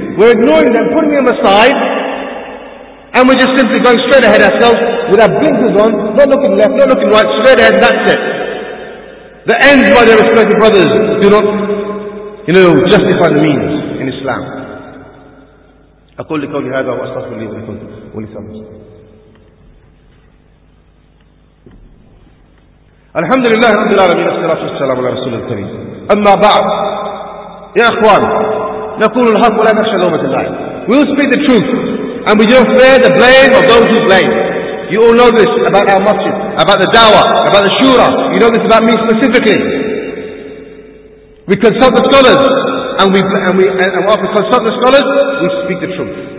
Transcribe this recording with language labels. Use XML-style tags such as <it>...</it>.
<en>We're ignoring them, putting them aside, and we're just simply going straight ahead ourselves with our blinkers on, not looking left, not looking right, straight ahead, and that's it. The ends, my dear respected brothers, do not, you know, justify the means in Islam.</en> <ar>أقول لكم هذا وأستغفر لي ولكم ولسامي. الحمد لله رب العالمين والصلاة والسلام على رسول الكريم. أما بعد يا إخوان. نقول الحق ولا نخشى لومة اللائم.</ar> <en>We will speak the truth and we don't fear the blame of those who blame. You all know this about our masjid, about the dawah, about the shura. You know this about me specifically. We consult the scholars and after consulting the scholars, we speak the truth.</en>